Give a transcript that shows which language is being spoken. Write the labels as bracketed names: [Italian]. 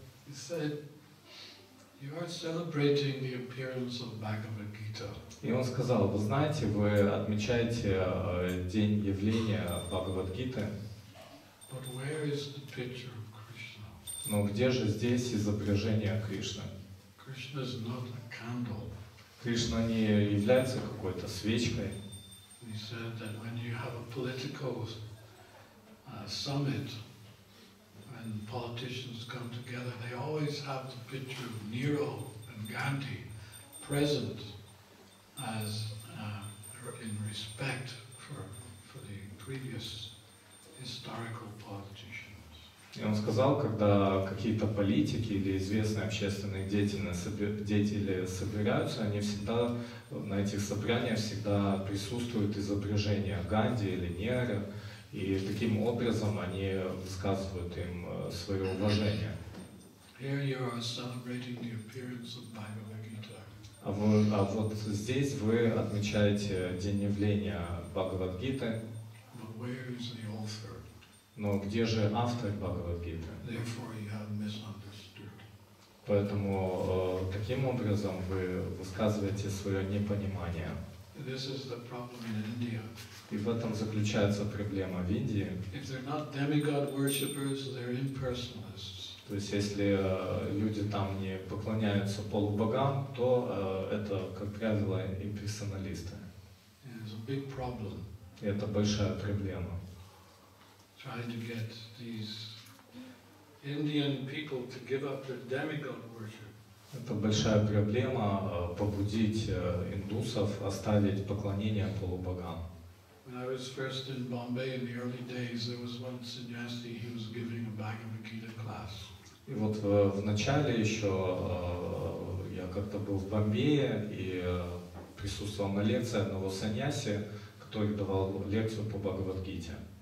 [English] He said, "You are celebrating the appearance of Bhagavad Gita." [Russian] И он сказал, вы знаете, вы отмечаете день явления Бхагавад-гиты. [English] But where is the picture of Krishna? [Russian] Но где же здесь изображение Кришны? [English] Krishna is not a candle. [Russian] Кришна не является какой-то свечкой. [English] He said that when you have a political summit, when politicians come together, they always have the picture of Nero and Gandhi present. As in respect for the previous historical politicians. [Russian] И он сказал, когда какие-то политики или известные общественные деятели собираются, они всегда на этих собраниях всегда присутствуют изображения Ганди или Нера, и таким образом они высказывают им свое уважение. [English] Here you are celebrating the appearance of Bhagavad Gita. [Russian] А вот здесь вы отмечаете день явления Бхагавад-гиты. [English] But where is the author? [Russian] Но где же автор Бхагавад-гиты? [English] Therefore you have misunderstood. [Russian] Поэтому таким образом вы высказываете свое непонимание. [English] This is the problem in India. [Russian] И в этом заключается проблема в Индии. [English] If they're not demigod worshippers, they're impersonalists. [Russian] То есть, если люди там не поклоняются полубогам, то это, как правило, имперсоналисты. [English] It's a big problem. [Russian] И это большая проблема. [English] Trying to get these Indian people to give up their demigod worship. [Russian] Это большая проблема побудить индусов оставить поклонение полубогам. [English] When I was first in Bombay in the early days, there was one sannyasi, he was giving a Bhagavad Gita class. [Russian] И вот в начале еще я как-то был в Бомбее и присутствовал на лекции одного саньяси, который давал лекцию по Бхагавад-гите.